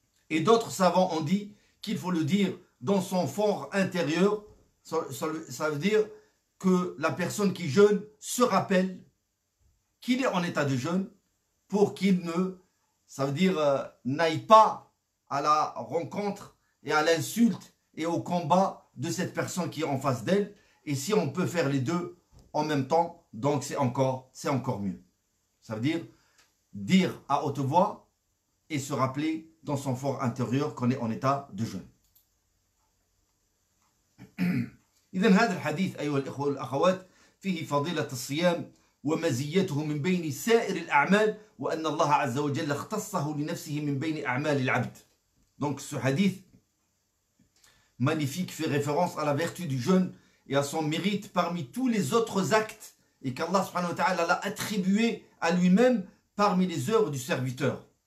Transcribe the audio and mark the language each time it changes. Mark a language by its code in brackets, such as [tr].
[fr] Et d'autres savants ont dit qu'il faut le dire dans son fort intérieur, ça veut dire que la personne qui jeûne se rappelle qu'il est en état de jeûne pour qu'il ne, ça veut dire, n'aille pas à la rencontre et à l'insulte et au combat de cette personne qui est en face d'elle. Et si on peut faire les deux en même temps, donc c'est encore mieux. Ça veut dire dire à haute voix et se rappeler dans son fort intérieur qu'on est en état de jeûne. [ar] إذن هذا الحديث أيها الإخوة والأخوات فيه فضيلة الصيام ومزيته من بين سائر الأعمال وأن الله عز وجل اختصه لنفسه من بين أعمال العبد. [fr] Donc ce hadith magnifique fait référence à la vertu du jeûne et à son mérite parmi tous les autres actes et qu'Allah subhanahu wa ta'ala l'a attribué à lui-même parmi les œuvres du serviteur.